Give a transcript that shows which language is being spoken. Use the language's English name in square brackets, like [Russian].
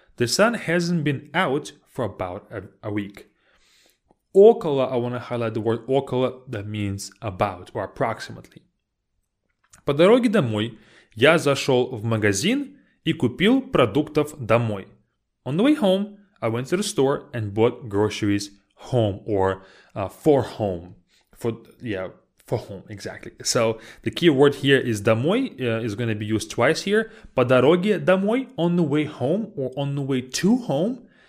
[English] The sun hasn't been out for about a week. Около, I want to highlight the word около, that means about or approximately. [Russian] По дороге домой я зашел в магазин и купил продуктов домой. [English] On the way home, I went to the store and bought groceries home or for home. For home, exactly. So the key word here is домой, is going to be used twice here. [Russian] По дороге домой, [English] on the way home or on the way to home.